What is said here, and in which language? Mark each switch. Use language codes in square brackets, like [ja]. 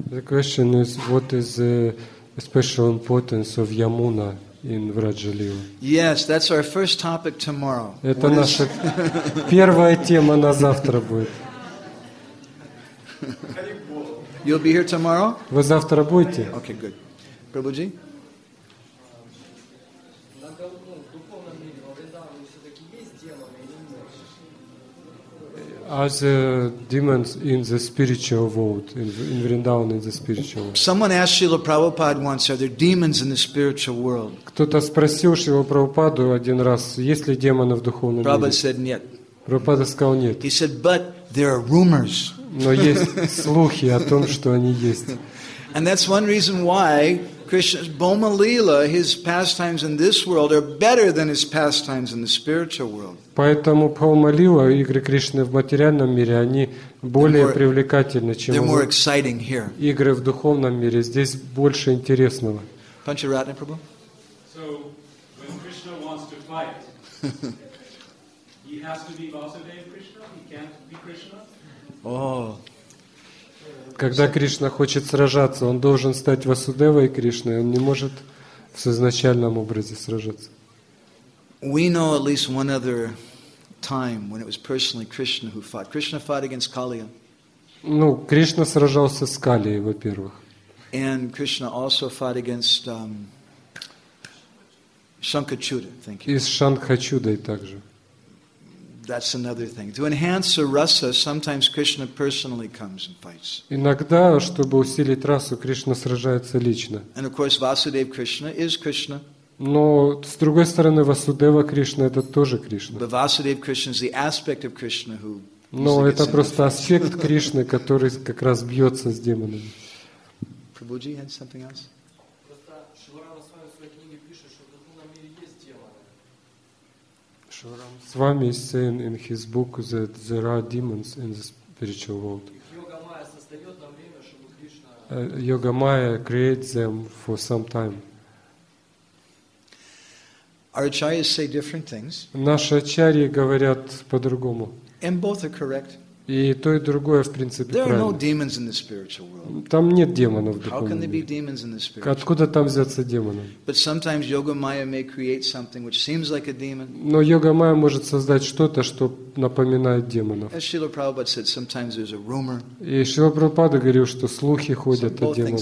[en] The question is, what is the special importance of Yamuna? In yes, that's our first topic tomorrow. [ru] Это наша первая тема на завтра будет. [en] You'll be here tomorrow? [ru] Вы завтра будете? [en] Okay, good. Prabhuji? As a demon in the spiritual world, in Vrindavan, in the spiritual world. Someone asked Srila Prabhupada once, are there demons in the spiritual world? [ru] Кто-то спросил Шрилу Прабхупаду один раз, есть ли демоны в духовном мире? [en] Prabhupada said, [ru] нет. Прабхупада сказал, нет. [en] He said, but there are rumors. [ru] Но есть слухи о том, что они есть. [en] And that's one reason why Krishna's Boma Lila, his pastimes in this world, are better than his pastimes in the spiritual world. [ru] Поэтому Бхаума Лила, игры Кришны в материальном мире, они более привлекательны, чем игры в духовном мире. Здесь больше интересного. Панчаратна Прабху. [en] So, when Krishna wants to fight, he has to be Vasudeva Krishna? He can't be Krishna? Oh. [ru] Когда Кришна хочет сражаться, он должен стать Васудевой Кришной, он не может в изначальном образе сражаться. [en] We know at least one other time when it was personally Krishna who fought. Krishna fought against Kaliya. [ru] Ну, Кришна сражался с Калией, во-первых. [en] And Krishna also fought against Shankachuda, thank you. [ru] И с Шанкхачудой также. [en] That's another thing. To enhance a rasa, sometimes Krishna personally comes and fights. [ru] Иногда, чтобы усилить расу, Кришна сражается лично. [en] And of course, Vasudev Krishna is Krishna. [ru] Но с другой стороны, Васудева Кришна это тоже Кришна. [en] But Vasudev Krishna is the aspect of Krishna who. [ru] Но это просто аспект Кришны, который как раз бьется с демонами. [en] Prabhuji had something else. Swami is saying in his book that there are demons in the spiritual world. Yoga Maya creates them for some time. Our acharyas say different things. [ru] Наши ачарьи говорят по-другому. [en] And both are correct. [ru] И то и другое в принципе [en] there [ru] правильно. [en] There are no demons in the spiritual world. [ru] Там нет демонов в духовном [en] мире. How can there demons in the spiritual world? [ru] Откуда там взяться демоны? [en] But sometimes yoga maya may create something which seems like a demon. [ru] Но йога майя может создать что-то, что напоминает демонов. [en] As Srila Prabhupada said, sometimes there's a rumor. [ru] И Шрила Прабхупада говорил, что слухи ходят о демонах.